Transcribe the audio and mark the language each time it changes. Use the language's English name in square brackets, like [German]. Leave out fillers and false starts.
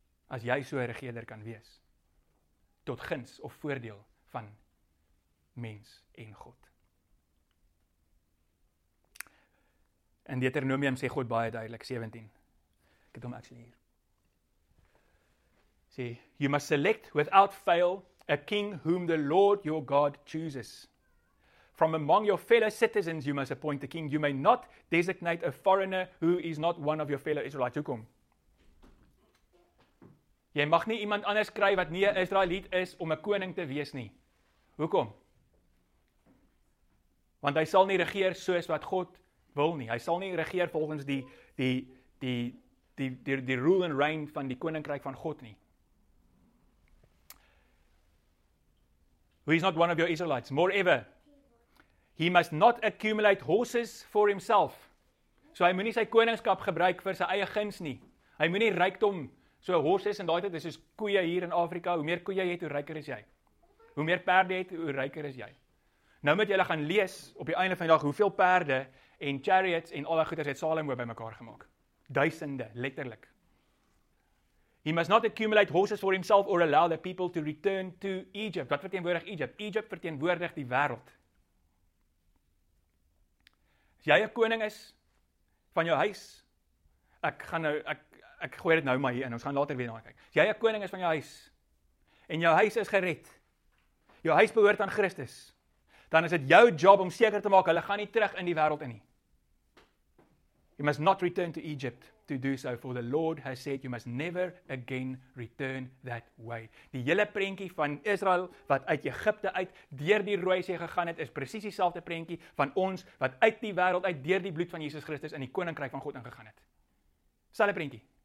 [Afrikaans] As jy so 'n regeerder kan wees. Tot guns of voordeel van mens en God. In Deuteronomium sê God baie duidelik, 17. Ek het hom actually hier. [English] Sê, you must select without fail a king whom the Lord your God chooses. From among your fellow citizens you must appoint a king. You may not designate a foreigner who is not one of your fellow Israelites. [Afrikaans] Hoekom? Jy mag nie iemand anders kry wat nie 'n Israeliet is om 'n koning te wees nie. Hoekom? Want hy sal nie regeer soos wat God wil nie. Hy sal nie regeer volgens die [English] rule and reign [Afrikaans] van die koninkryk van God nie. [English] He is not one of your Israelites. Moreover, he must not accumulate horses for himself. [Afrikaans] So hy moenie sy koningskap gebruik vir sy eie guns nie. Hy moenie rykdom, so horses en daai tyd is soos koeie hier in Afrika, hoe meer koeie jy het, hoe ryker is jy. Hoe meer perde het, hoe ryker is jy. Nou moet jy hulle gaan lees op die einde van die dag hoeveel perde en chariots en alle goeders het Salomo bymekaar gemaak. Duisende, letterlik. [English] He must not accumulate horses for himself or allow the people to return to Egypt. [Afrikaans] Wat verteenwoordig Egypt? Egypt verteenwoordig die wêreld. As jy 'n koning is van jou huis, ek gooi dit nou maar hier in. Ons gaan later weer daarna kyk. As jy 'n koning is van jou huis en jou huis is gered. Jou huis behoort aan Christus. Dan is dit jou job om seker te maak hulle gaan nie terug in die wêreld in nie. [English] You must not return to Egypt to do so, for the Lord has said you must never again return that way. [Afrikaans] Die hele prentjie van Israel wat uit Egipte uit deur die Rooi See gegaan het, is presies dieselfde prentjie van ons wat uit die wêreld uit deur die bloed van Jesus Christus in die koninkryk van God ingegaan het. Selfe prentjie.